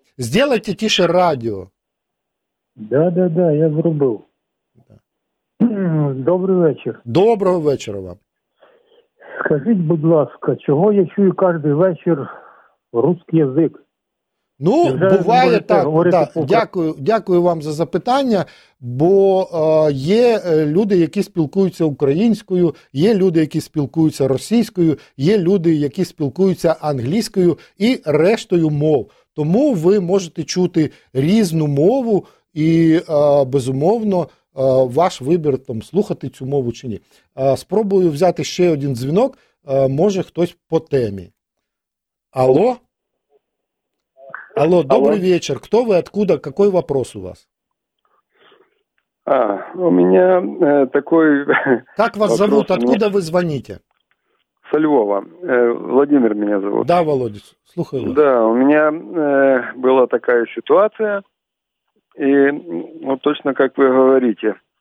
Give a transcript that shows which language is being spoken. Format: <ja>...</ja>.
<ru>Сделайте тише радио. Да, я врубил. Да. Добрый вечер. Доброго вечера вам. Скажите,</ru> <uk>будь ласка,</uk> <ru>чего я чую каждый вечер русский язык?</ru> <uk>Ну, вже буває так, да. Дякую вам за запитання, бо є люди, які спілкуються українською, є люди, які спілкуються російською, є люди, які спілкуються англійською і рештою мов. Тому ви можете чути різну мову і, безумовно, ваш вибір там слухати цю мову чи ні. Спробую взяти ще один дзвінок, може хтось по темі.</uk> <ru>Алло? Алло, добрый вечер. Кто вы, откуда, какой вопрос у вас? А, у меня такой... Как вас зовут, откуда вы звоните? Со Львова. Владимир меня зовут.</ru> <uk>Да, Володя, слухаю вас.</uk> <ru>Да, у меня была такая ситуация, и вот точно как вы говорите.</ru>